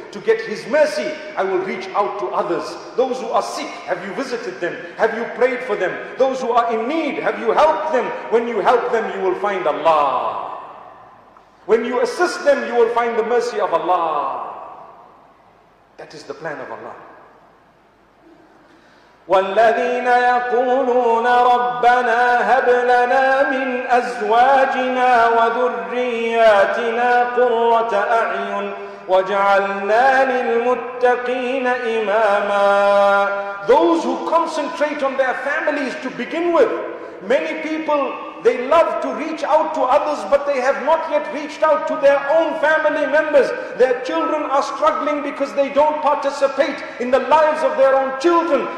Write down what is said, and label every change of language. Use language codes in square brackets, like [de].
[en] To get his mercy, I will reach out to others. Those who are sick, have you visited them? Have you prayed for them? Those who are in need, have you helped them? When you help them, you will find Allah. When you assist them, you will find the mercy of Allah. That is the plan of Allah. [ar] والذين يقولون ربنا هب لنا من أزواجنا وذرياتنا قرة أعين واجعلنا للمتقين إماما. [en] Those who concentrate on their families to begin with. Many people, they love to reach out to others, but they have not yet reached out to their own family members. Their children are struggling because they don't participate in the lives of their own children.